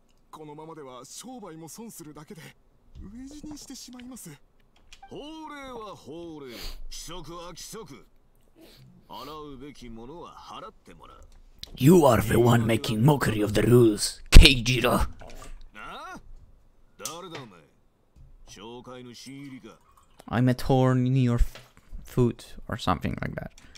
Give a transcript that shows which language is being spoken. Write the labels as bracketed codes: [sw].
[ja] このままでは商売も損するだけで飢え死にしてしまいます。法令は法令、規則は規則、払うべきものは払ってもらう。 [en] You are the one making mockery of the rules, Keijiro。 [ja] なあ、誰だお前、紹介の新入りか。 [en] I'm a thorn in your foot or something like that。